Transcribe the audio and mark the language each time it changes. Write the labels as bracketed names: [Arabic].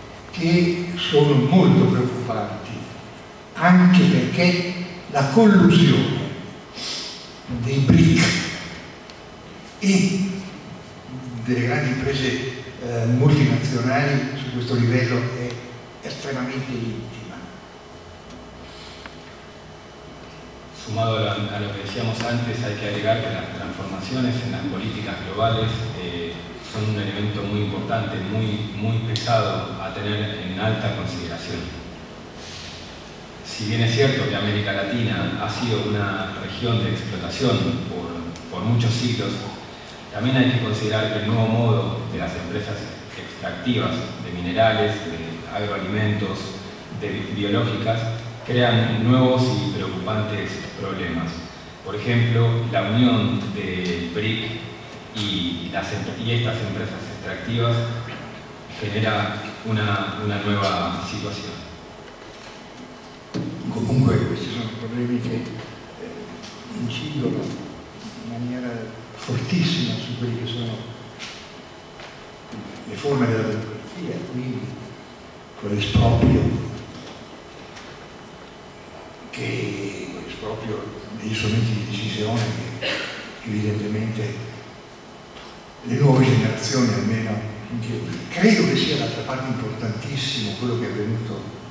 [Italian] che sono molto preoccupanti, anche perché la collusione dei BRIC e delle grandi imprese multinazionali su questo livello è estremamente intima. [Spanish] Sumado a lo que decíamos antes, hay que agregar que las transformaciones en las políticas globales son un elemento muy importante, muy, muy pesado a tener en alta consideración. Si bien es cierto que América Latina ha sido una región de explotación por muchos siglos, también hay que considerar que el nuevo modo de las empresas extractivas de minerales, de agroalimentos, de biológicas, crean nuevos y preocupantes problemas. Por ejemplo, la unión del BRIC y estas empresas extractivas genera una nueva situación. [Italian] Comunque, questi sono problemi che incidono in maniera fortissima su quelli che sono le forme della democrazia, quindi quell'esproprio che l'esproprio degli strumenti di decisione che evidentemente le nuove generazioni almeno credo che sia l'altra parte importantissima quello che è avvenuto